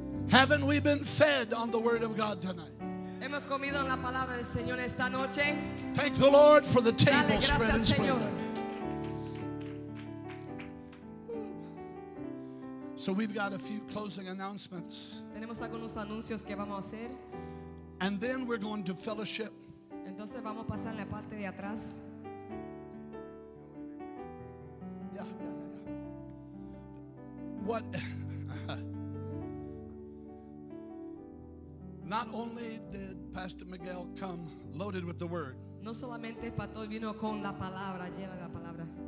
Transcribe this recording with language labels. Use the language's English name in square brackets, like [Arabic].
[English] Haven't we been fed on the word of God tonight? [Spanish] Hemos comido la palabra del Señor esta noche. [English] Thank the Lord for the table spread and spread. So we've got a few closing announcements. [Spanish] Tenemos algunos anuncios que vamos a hacer. [English] And then we're going to fellowship. [Spanish] Entonces vamos a pasar la parte de atrás. [English] What? Not only did Pastor Miguel come loaded with the word, [Spanish] no solamente el pastor vino con la palabra, llena de la palabra,